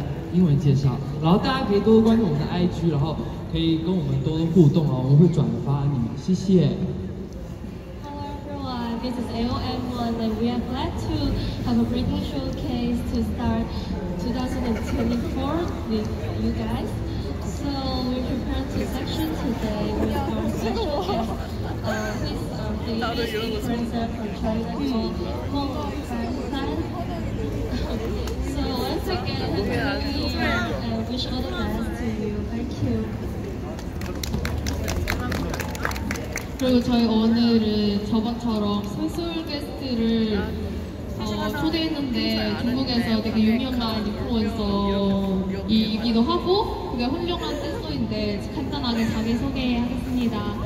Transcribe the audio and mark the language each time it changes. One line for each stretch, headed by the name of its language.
Chinese: 中国同胞在哪里？好，然后我们接下来英文介绍，然后大家可以多多关注我们的 IG， 然后可以跟我们多多互动哦，我们会转发你们，谢谢。
English: Hello everyone, this is AOM1 and we are glad to have a breaking showcase to start 2024 with you guys. So we prepared two sections today with our special guest. So once again, happy new year and wish all the best to you. Thank you.
Korean: 그리고 저희 오늘은 저번처럼 스페셜 게스트를 초대했는데 중국에서 되게 유명한 인플루언서이기도 하고 되게 훌륭한 댄서인데 간단하게 자기 소개하겠습니다.